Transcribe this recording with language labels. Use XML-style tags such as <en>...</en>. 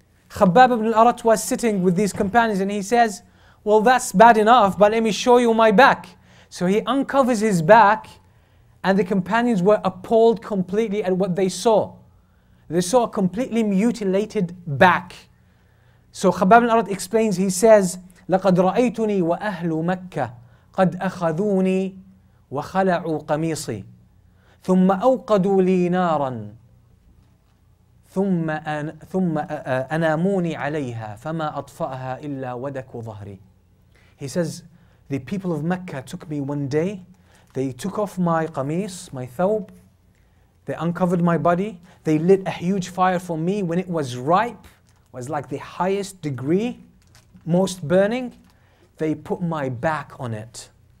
<en>Khabbab ibn al-Arat was sitting with these companions and he says, well, that's bad enough, but let me show you my back. So he uncovers his back, and the companions were appalled completely at what they saw. They saw a completely mutilated back. So Khabbab al-Arat explains, he says,</en> <ar>لَقَدْ رَأَيْتُنِي وَأَهْلُ مَكَّةِ قَدْ أَخَذُونِي وَخَلَعُوا قَمِيصِي ثُمَّ أَوْقَدُوا لِي نَارًا ثُمَّ أَنَامُونِي عَلَيْهَا فَمَا أَطْفَأَهَا إِلَّا وَدَكُ ظَهْرِي.</ar> <en>He says, the people of Mecca took me one day, they took off my qamis, my thawb, they uncovered my body, they lit a huge fire for me when it was ripe, was like the highest degree, most burning, they put my back on it.</en>